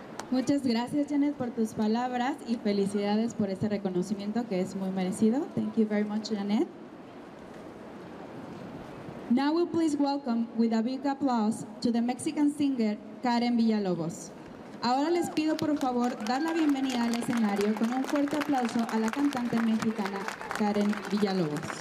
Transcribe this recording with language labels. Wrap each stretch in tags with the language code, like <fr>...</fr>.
<es>Muchas gracias, Janet, por tus palabras y felicidades por este reconocimiento que es muy merecido.</es> <en>Thank you very much, Janet. Now we'll please welcome with a big applause to the Mexican singer Karen Villalobos.</en> <es>Ahora les pido por favor dar la bienvenida al escenario con un fuerte aplauso a la cantante mexicana Karen Villalobos.</es>